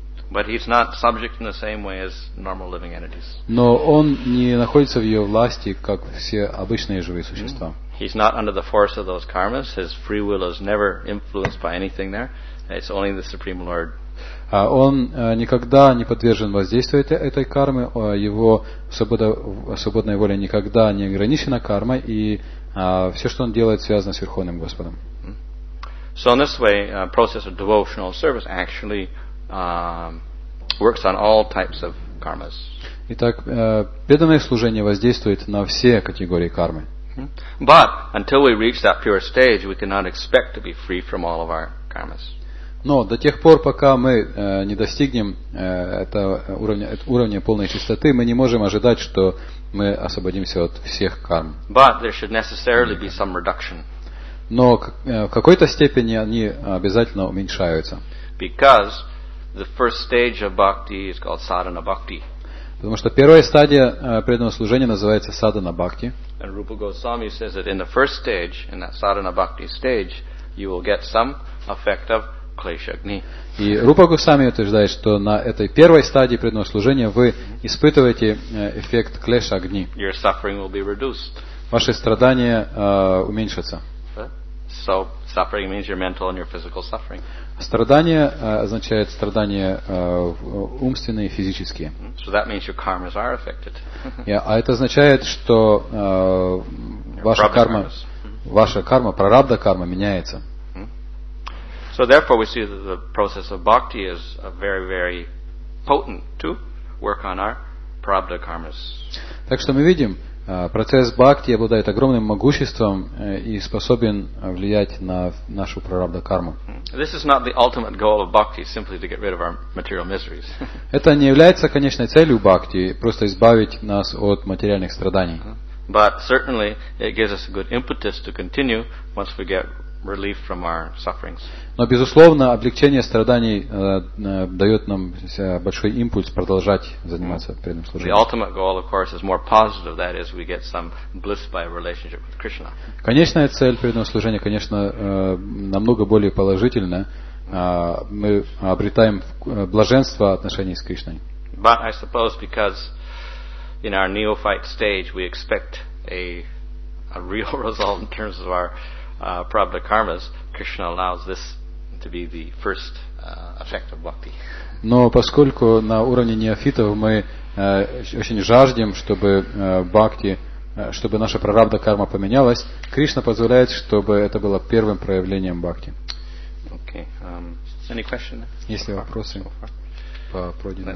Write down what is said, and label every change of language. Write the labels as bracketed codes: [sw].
[en] But he's not subject in the same way as normal living entities. [ru] Но он не находится в ее власти, как все обычные живые существа. [en] He's not under the force of those karmas. His free will is never influenced by anything there. It's only the Supreme Lord. [ru] Он никогда не подвержен воздействию этой кармы. Его свободная воля никогда не ограничена кармой, и все, что он делает, связано с Верховным Господом. [en] So in this way, process of devotional service actually works on all types of karmas. [ru] Итак, преданное служение воздействует на все категории кармы. [en] But until we reach that pure stage, we cannot expect to be free from all of our karmas. [ru] Но до тех пор, пока мы не достигнем этого уровня полной чистоты, мы не можем ожидать, что мы освободимся от всех карм. [en] But there should necessarily be some reduction. [ru] Но в какой-то степени они обязательно уменьшаются. [en] Because the first stage of bhakti is called sadhana bhakti. [ru] Потому что первая стадия преданного служения называется садхана бхакти. [en] And Rupa Goswami says that in the first stage, in that sadhana bhakti stage, you will get some effect of klesha agni. [ru] И Рупа Госвами утверждает, что на этой первой стадии преданного служения вы испытываете эффект клеш огни. [en] Your suffering will be reduced. [ru] Ваши страдания уменьшатся. [en] So suffering means your mental and your physical suffering. [ru] Страдания означает страдания умственные и физические. [en] So that means your karmas are affected. [ru] Yeah, а это означает, что ваша карма, ваша карма, прарабдха карма меняется. [en] So therefore we see that the process of bhakti is a very, very potent to work on our prarabdha karmas. [ru] Так что мы видим, процесс бхакти обладает огромным могуществом и способен влиять на нашу прарабдха карму. [en] This is not the ultimate goal of bhakti, simply to get rid of our material miseries. [ru] Это не является конечной целью бхакти, просто избавить нас от материальных страданий. [en] But certainly it gives us a good impetus to continue once we get relief from our sufferings. [ru] Но безусловно, облегчение страданий дает нам большой импульс продолжать заниматься преданным служением. [en] The ultimate goal, of course, is more positive. That is, we get some bliss by a relationship with Krishna. [ru] Конечная цель преданного служения, конечно, намного более положительна. Мы обретаем блаженство отношений с Кришной. [en] But I suppose because in our neophyte stage we expect a real result in terms of our prarabdha karmas, Krishna allows this to be the first effect of bhakti. [ru] Но поскольку на уровне неофитов мы очень жаждем, чтобы бхакти, чтобы наша прарабдха карма поменялась, Кришна позволяет, чтобы это было первым проявлением бхакти. [en] Okay. Any question? [ru] Есть ли вопросы по пройденному?